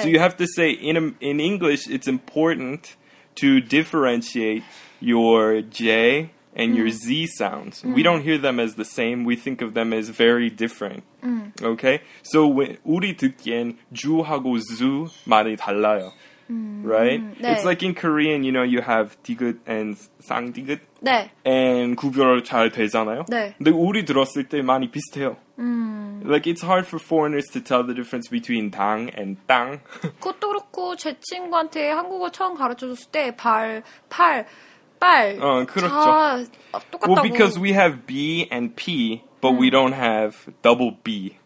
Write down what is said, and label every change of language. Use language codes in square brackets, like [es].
[en] So you have to say in English, it's important to differentiate your J and your Z sounds. We don't hear them as the same. We think of them as very different. Okay. [ko] So 우리 듣기엔 주하고 주 많이 달라요. [en] Right? 네. It's like in Korean, you know, you have 디귿 and 쌍디귿. [ko] 네. And 구별 잘 되잖아요. 네. 근데 우리 들었을 때 많이 비슷해요. [en] Like, it's hard for foreigners to tell the difference between 당 and 땅. [ko] 그것도 그렇고, 제 친구한테 한국어 처음 가르쳐줬을 때 발, 팔, 빨. 그렇죠. 다 똑같다고. [en] Well, because we have B and P, but we don't have double B.